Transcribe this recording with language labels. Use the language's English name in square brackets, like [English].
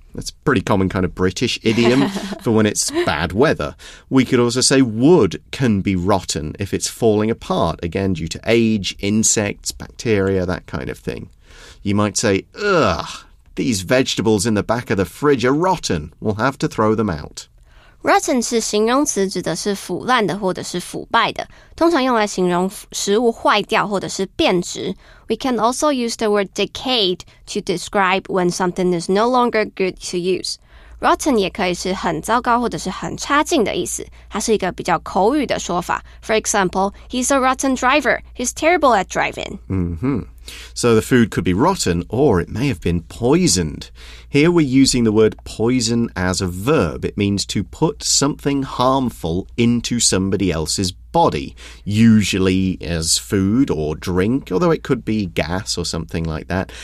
[English] That's a pretty common kind of British idiom for when it's bad weather. We could also say wood can be rotten if it's falling apart, again, due to age, insects, bacteria, that kind of thing. You might say, ugh, these vegetables in the back of the fridge are rotten, we'll have to throw them out. [Chinese] Rotten 是形容词，指的是腐烂的或者是腐败的，通常用来形容食物坏掉或者是变质。 [English] We can also use the word decayed to describe when something is no longer good to use. [Chinese] Rotten 也可以是很糟糕或者是很差劲的意思，它是一个比较口语的说法。 [English] For example, he's a rotten driver. He's terrible at driving. So the food could be rotten or it may have been poisoned. Here we're using the word poison as a verb. It means to put something harmful into somebody else's body, usually as food or drink, although it could be gas or something like that.